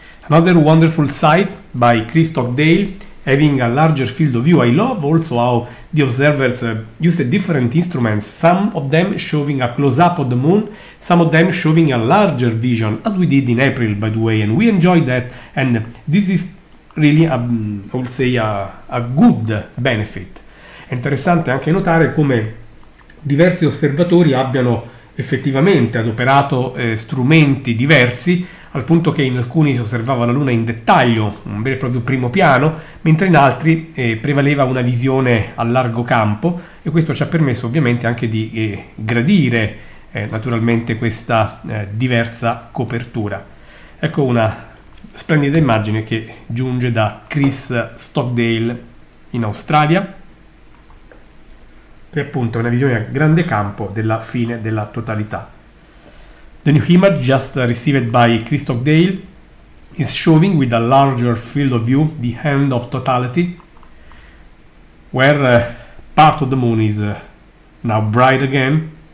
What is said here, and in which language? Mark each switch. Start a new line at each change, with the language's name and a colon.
English: Another wonderful sight by Christoph Dale, having a larger field of view. I love also how the observers used different instruments, some of them showing a close-up of the moon, some of them showing a larger vision, as we did in April, by the way, and we enjoyed that, and this is really, a good benefit.
Italian: È interessante anche notare come diversi osservatori abbiano effettivamente adoperato strumenti diversi, al punto che in alcuni si osservava la Luna in dettaglio, un vero e proprio primo piano, mentre in altri prevaleva una visione a largo campo, e questo ci ha permesso ovviamente anche di gradire naturalmente questa diversa copertura. Ecco una splendida immagine che giunge da Chris Stockdale in Australia, che appunto è una visione a grande campo della fine della totalità.
English: The new image just received by Christoph Dale is showing with a larger field of view the end of totality, where part of the moon is now bright again.